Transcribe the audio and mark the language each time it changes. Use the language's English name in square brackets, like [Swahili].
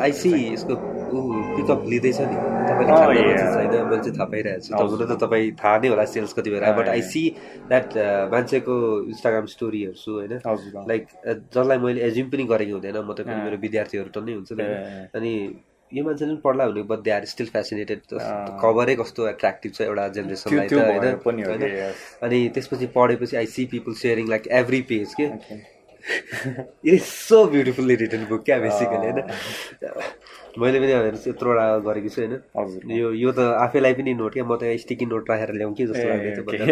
[English] I see [Nepali] यसको pickup लिँदैछ नि छैन मैले चाहिँ थाहा पाइरहेको छु. हुनु त तपाईँ थाहा नै होला सेल्स कति भएर, [English] but I see that [Nepali] मान्छेको इन्स्टाग्राम स्टोरी हेर्छु होइन, लाइक जसलाई मैले एज्युम पनि गरेको हुँदैन, म त मेरो विद्यार्थीहरू टन्नै हुन्छ नि. अनि यो मान्छेले पनि पढ्ला भनेको, [English] But they are still fascinated. [Nepali] कभरै कस्तो एट्र्याक्टिभ छ एउटा जेनेरेसनलाई त होइन. [English] अनि त्यसपछि पढेपछि I see people sharing like every page के it is so beautifully written book [Nepali] क्या बेसिकली होइन. मैले पनि हेर्नुहोस् यत्रोवटा गरेको छु होइन. यो यो त आफैलाई पनि नोट क्या, म त स्टिकी नोट राखेर ल्याउँ कि जस्तो लाग्ने थियो.